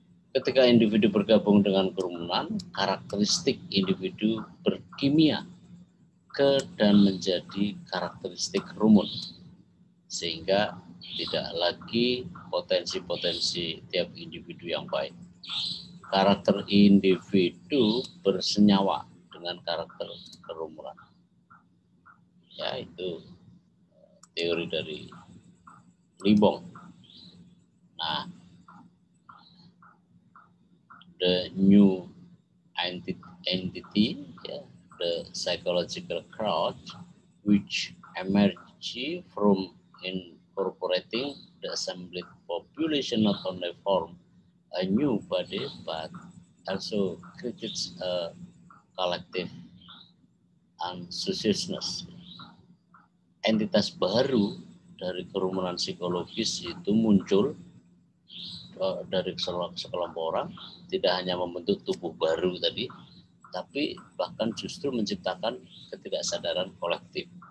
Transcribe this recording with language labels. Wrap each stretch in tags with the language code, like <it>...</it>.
<id>Ketika individu bergabung dengan kerumunan, karakteristik individu berkimia ke dan menjadi karakteristik rumun, sehingga tidak lagi potensi-potensi tiap individu yang baik. Karakter individu bersenyawa dengan karakter kerumunan. Ya, itu teori dari Lipong.</id> <en>Nah, the new entity, yeah, the psychological crowd, which emerged from incorporating the assembled population not only form a new body, but also creates a collective unconsciousness.</en> <id>Entitas baru dari kerumunan psikologis itu muncul dari sekelompok orang, tidak hanya membentuk tubuh baru tadi, tapi bahkan justru menciptakan ketidaksadaran kolektif.</id>